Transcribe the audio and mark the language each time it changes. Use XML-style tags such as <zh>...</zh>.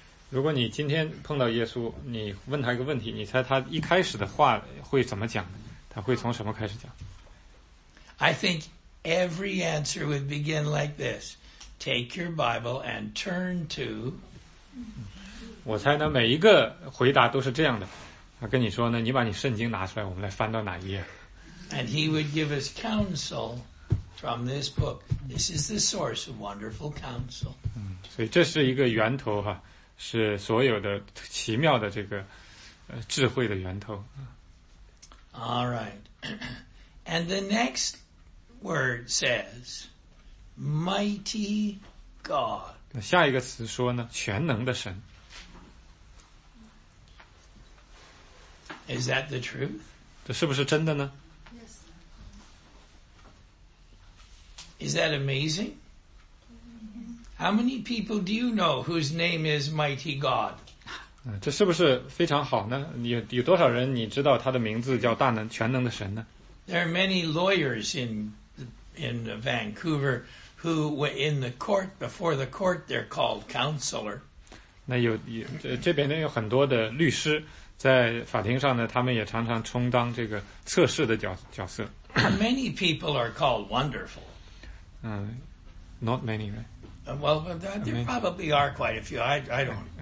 <zh>如果你今天碰到耶稣，你问他一个问题，你猜他一开始的话会怎么讲？他会从什么开始讲？</zh> <en>I think every answer would begin like this. Take your Bible and turn to...</en> <zh>我猜呢，每一个回答都是这样的。他跟你说呢，你把你圣经拿出来，我们来翻到哪一页。</zh> <en>And he would give us counsel from this book. This is the source of wonderful counsel.</en> <zh>所以这是一个源头哈，是所有的奇妙的这个智慧的源头。</zh> <en>All right. And the next word says, mighty God.</en> <zh>那下一个词说呢，全能的神。</zh> <en>Is that the truth?</en> <zh>这是不是真的呢？</zh> <en>Is that amazing? How many people do you know whose name is Mighty God?</en> <zh>这是不是非常好呢？有多少人你知道他的名字叫大能全能的神呢？</zh> <en>There are many lawyers in Vancouver who were in the court before the court. They're called counselor.</en> <zh>那有这边呢有很多的律师在法庭上呢，他们也常常充当这个测试的角色。</zh> <en>Many people are called wonderful. Not many, right? Well, there probably are quite a few. I don't know.</en>